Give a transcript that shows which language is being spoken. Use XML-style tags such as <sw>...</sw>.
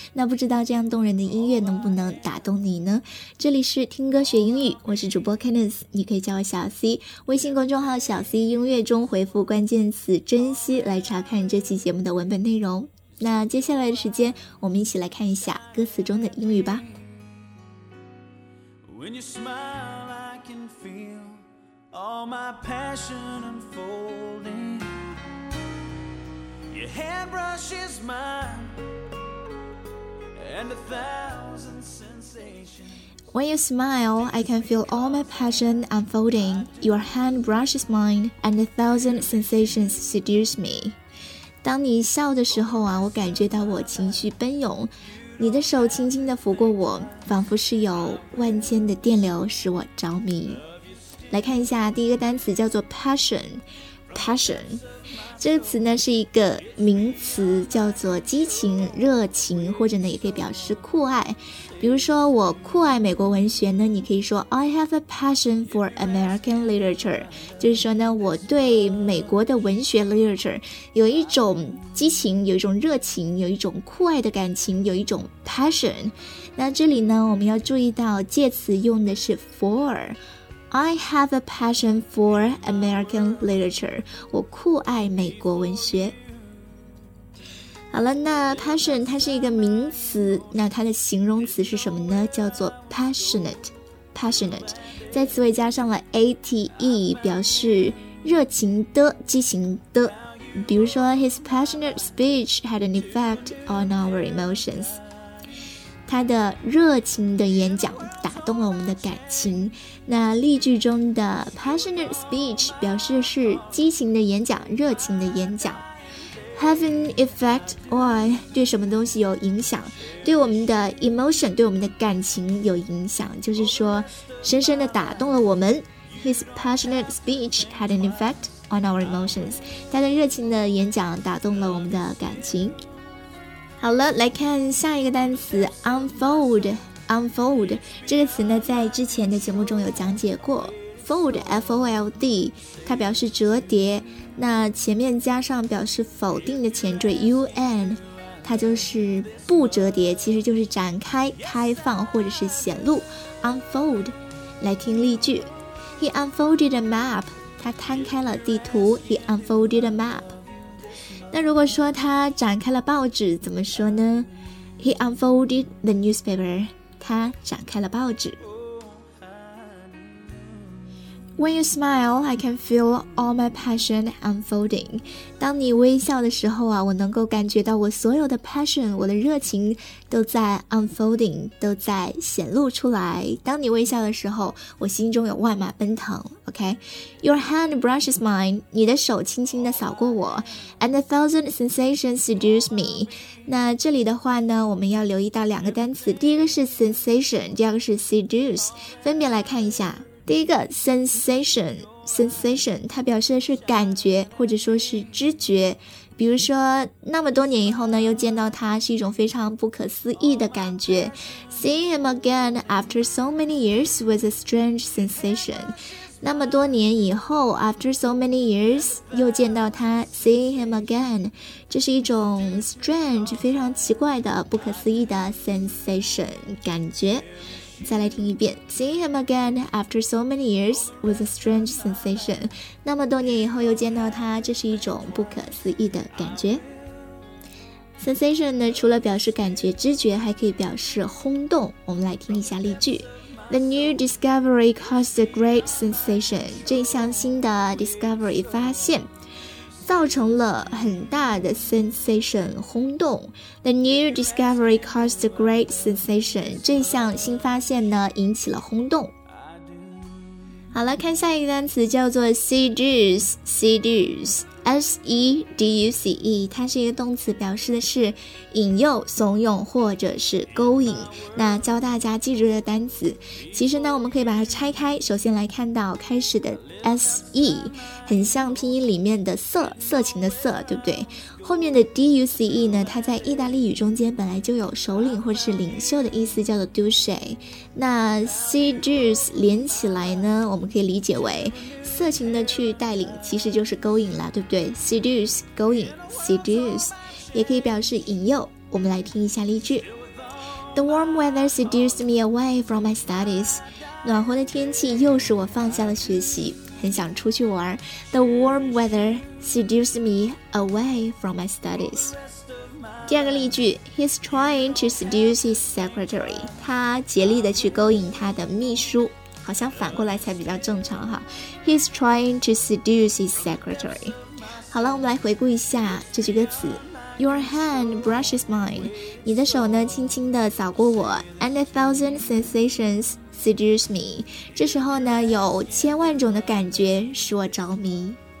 <zh>那不知道这样动人的音乐能不能打动你呢？这里是听歌学英语，我是主播 Kenneth， 你可以叫我小 C， 微信公众号小 C 音乐中回复关键词珍惜来查看这期节目的文本内容。那接下来的时间我们一起来看一下歌词中的英语吧。</zh> <en>When you smile, I can feel all my passion unfolding. Your hand brushes mine, and a thousand sensations. When you smile, I can feel all my passion unfolding. Your hand brushes mine, and a thousand sensations seduce me.</en> <zh>当你笑的时候啊，我感觉到我情绪奔涌。你的手轻轻地拂过我，仿佛是有万千的电流使我着迷。来看一下第一个单词叫做 passion。passion 这个词呢是一个名词，叫做激情、热情，或者呢也可以表示酷爱。比如说我酷爱美国文学呢，你可以说</zh> <en>I have a passion for American literature，</en> <zh>就是说呢我对美国的文学 literature 有一种激情，有一种热情，有一种酷爱的感情，有一种 passion。那这里呢我们要注意到介词用的是 for。</zh> <en>I have a passion for American literature.</en> <zh>我酷爱美国文学。好了，那 passion 它是一个名词，那它的形容词是什么呢？叫做 passionate.</zh> <en>passionate.</en> <zh>在词尾加上了 ate， 表示热情的、激情的。</zh> <en>比如说 ，his passionate speech had an effect on our emotions.</en> <zh>他的热情的演讲打动了我们的感情。那例句中的</zh> <en>passionate speech</en> <zh>表示是激情的演讲，热情的演讲。</zh> <en>Have an effect on</en> <zh>对什么东西有影响，对我们的 emotion， 对我们的感情有影响，就是说深深的打动了我们。</zh> <en>His passionate speech had an effect on our emotions，</en> <zh>他的热情的演讲打动了我们的感情。好了，来看下一个单词 unfoldUnfold 这个词呢，在之前的节目中有讲解过。 Fold F-O-L-D 它表示折叠，那前面加上表示否定的前缀 U-N， 它就是不折叠，其实就是展开、开放或者是显露。 Unfold， 来听例句。</zh> <en>He unfolded a map，</en> <zh>他摊开了地图。</zh> <en>He unfolded a map。</en> <zh>那如果说他展开了报纸怎么说呢？</zh> <en>He unfolded the newspaper，</en> <zh>他展开了报纸。</zh> <en>When you smile, I can feel all my passion unfolding.</en> <zh>当你微笑的时候啊，我能够感觉到我所有的 passion， 我的热情都在 unfolding， 都在显露出来。当你微笑的时候，我心中有万马奔腾。</zh> <en>OK， Your hand brushes mine，</en> <zh>你的手轻轻地扫过我。</zh> <en>And a thousand sensations seduce me。</en> <zh>那这里的话呢，我们要留意到两个单词，第一个是 sensation， 第二个是 seduce， 分别来看一下。第一个 sensation 它表示的是感觉或者说是知觉，比如说那么多年以后呢又见到他是一种非常不可思议的感觉。</zh> <en>Seeing him again after so many years was a strange sensation。</en> <zh>那么多年以后</zh> <en>after so many years</en> <zh>又见到他</zh> <en>see him again，</en> <zh>这是一种 strange 非常奇怪的不可思议的 sensation 感觉。再来听一遍。</zh> <en>See him again after so many years was a strange sensation，</en> <zh>那么多年以后又见到他，这是一种不可思议的感觉。 sensation 呢除了表示感觉知觉，还可以表示轰动。我们来听一下例句。</zh> <en>The new discovery caused a great sensation.</en> <zh>这项新的 discovery 发现造成了很大的 sensation 轰动。</zh> <en>The new discovery caused a great sensation.</en> <zh>这项新发现呢引起了轰动。好了，看下一个单词叫做 seduce S-E-D-U-C-E， 它是一个动词，表示的是引诱、怂恿或者是勾引。那教大家记住的单词，其实呢我们可以把它拆开，首先来看到开始的 S-E 很像拼音里面的色，色情的色，对不对？后面的 D-U-C-E 呢，它在意大利语中间本来就有首领或者是领袖的意思，叫做 Duce。那 seduce 连起来呢，我们可以理解为色情的去带领，其实就是勾引了，对不对？ seduce 勾引， seduce 也可以表示引诱。我们来听一下例句。</zh> <en>The warm weather seduced me away from my studies，</en> <zh>暖和的天气又使我放下了学习，很想出去玩。</zh> <en>The warm weather seduced me away from my studies。</en> <zh>第二个例句，</zh> <en>He's trying to seduce his secretary，</en> <zh>他竭力的去勾引他的秘书，好像反过来才比较正常哈。</zh> <en>He's trying to seduce his secretary。</en> <zh>好了，我们来回顾一下这句歌词。</zh> <en>Your hand brushes mine，</en> <zh>你的手呢轻轻地扫过我。</zh> <en>And a thousand sensations seduce me，</en> <zh>这时候呢有千万种的感觉使我着迷。</zh>